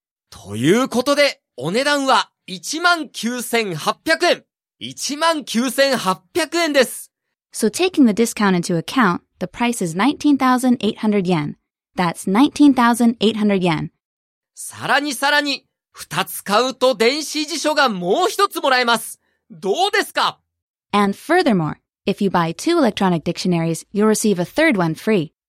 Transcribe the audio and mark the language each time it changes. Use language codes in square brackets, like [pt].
[ja] ということで、お値段は19,800円。 19,800円です。 [en] So taking the discount into account, the price is 19,800 yen. That's 19,800 yen. [ja] さらにさらに、二つ買うと電子辞書がもう一つもらえます。どうですか? [en] And furthermore, if you buy two electronic dictionaries, you'll receive a third one free.